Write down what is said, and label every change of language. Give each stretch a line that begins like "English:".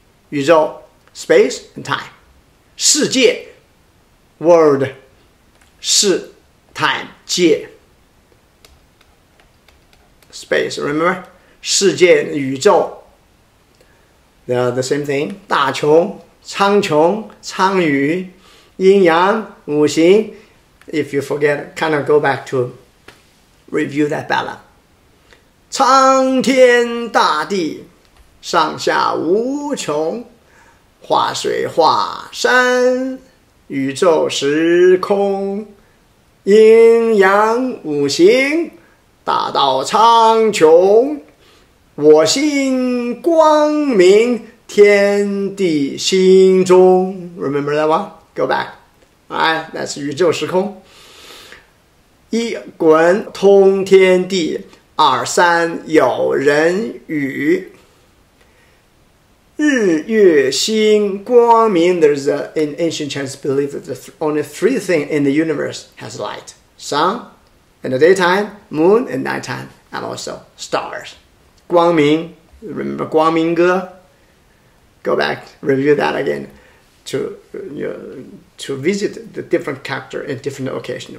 English: 宇宙, space, and time. 世界, world, 世, time, 界, space, remember? 世界, 宇宙, they are the same thing.
Chinese: 大穹, 苍穹, 苍宇, 阴阳, 五行.
English: If you forget, kind of go back to review that balance.
Chinese: 苍天大地, 上下无穷, 化水化山, 宇宙时空, 阴阳五行, 大道苍穹, 我心光明, 天地心中.
English: Remember that one? Go back. Alright, that's 宇宙时空.
Chinese: 一滚通天地, 二三有人语, 日月星光明.
English: There's a, in ancient Chinese belief that only three things in the universe has light: sun in the daytime, moon in nighttime, and also stars. 光明, remember 光明歌?Go back, review that again to visit the different character in different occasions.